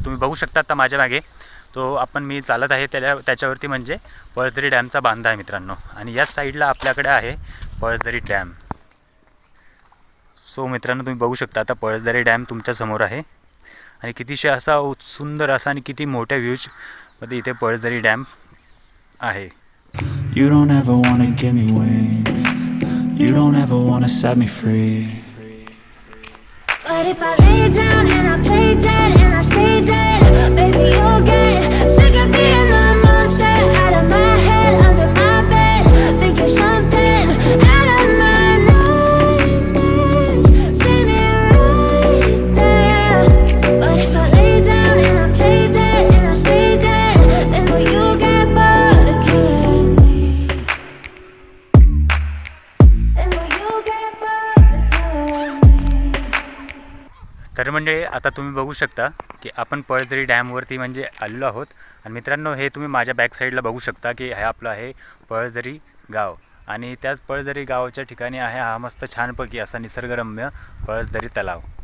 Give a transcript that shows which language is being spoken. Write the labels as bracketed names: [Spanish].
[Marathi] तुम्ही बघू शकता आता माझ्या मागे तो आपण मी चालत आहे त्याच्यावरती, म्हणजे पळसदरी डॅमचा बांधा आहे मित्रांनो. आणि या साईडला आपल्याकडे आहे पळसदरी डॅम. सो मित्रांनो, तुम्ही बघू शकता आता पळसदरी डॅम तुमच्या समोर आहे, आणि कितीशे असा सुंदर असा आणि किती मोठ्या व्ह्यूजमध्ये इथे पळसदरी डॅम आहे. [English] You don't ever wanna give me wings. You don't ever wanna set me free. But if I lay down and I play dead and I stay dead, baby you'll get sick of being the monster out of my head, under my bed, thinking something out of my nightmares. See me right there. But if I lay down and I play dead and I stay dead, then will you get bored of killing me? Then will you get bored of killing me? [Marathi] तर म्हणजे आता तुम्ही बघू शकता की आपण पळसदरी डॅमवरती म्हणजे आलेलो आहोत. आणि मित्रांनो, हे तुम्ही माझ्या बॅक साईडला बघू शकता की हे आपलं आहे पळसदरी गाव. आणि त्याच पळसदरी गावच्या ठिकाणी आहे हा मस्त छानपैकी असा निसर्गरम्य पळसदरी तलाव.